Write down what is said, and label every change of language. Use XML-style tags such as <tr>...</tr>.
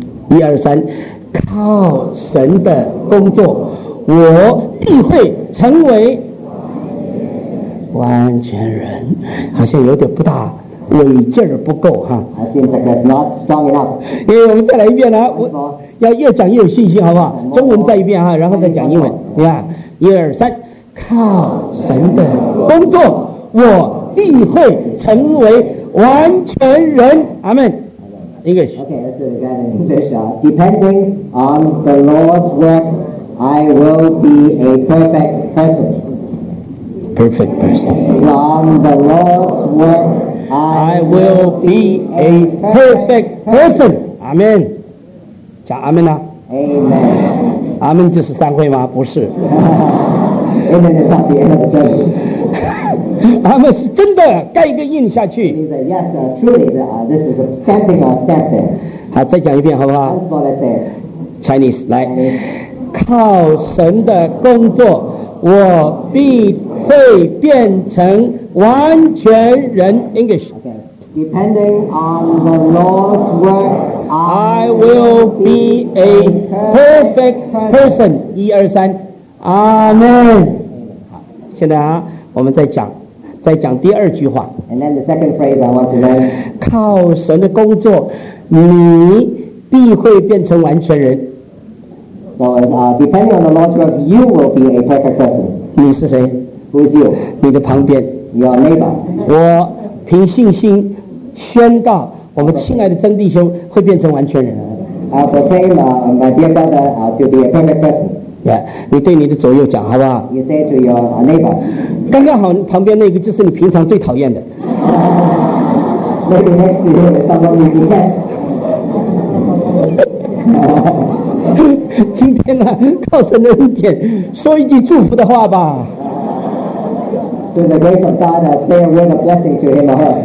<zh>一二三，靠神的工作，我必会成为完全人。好像有点不大，尾劲儿不够哈。</zh> <en>It seems like that's not strong enough.</en> <zh>我们再来一遍啊，我要越讲越有信心，好不好？中文再一遍哈，然后再讲英文。你看，一二三，靠神的工作。我必会成为完全人。阿门。English.</zh> <en>Okay, let's do it again in English. Depending on the Lord's work, I will be a perfect person. Perfect person. On the Lord's work, I will be a perfect person.</en> <zh>阿门。讲阿门呐。</zh> <en>Amen.</en> <zh>阿门就是散会吗？不是。</zh> <en>Amen is not the end of the service.</en> <zh>他们是真的盖一个印下去。</zh> <en>Yes, truly, this is a stamping or stamp there.</en> <zh>好，再讲一遍，好不好</zh> <en>？First of all, let's say Chinese.</en> <zh>来，靠神的工作，我必会变成完全人。</zh> <en>English. Okay. Depending on the Lord's work, I will be a perfect person.</en> <zh>一二三，阿门。好，现在啊，我们再讲。再讲第二句话。</zh> <en>And then the second phrase I want to learn.</en> <zh>靠神的工作，你必会变成完全人。</zh> <en>So, depending on the Lord's work, you will be a perfect person.</en> <zh>你是谁？</zh> <en>Who is you?</en> <zh>你的旁边。</zh> <en>Your neighbor.</en> <zh>我凭信心宣告，我们亲爱的曾弟兄会变成完全人。</zh> <en>I proclaim, my dear brother, to be a perfect person.</en> <zh>Yeah, 你对你的左右讲，好不好？</zh> <en>You say to your neighbor.</en> <zh>刚刚好旁边那个就是你平常最讨厌的。</zh> <en>Maybe next year someone will be dead.</en> <zh>今天呢，靠神的恩典，说一句祝福的话吧。</zh> <en>To the grace of God, say a word of blessing to him or her.</en>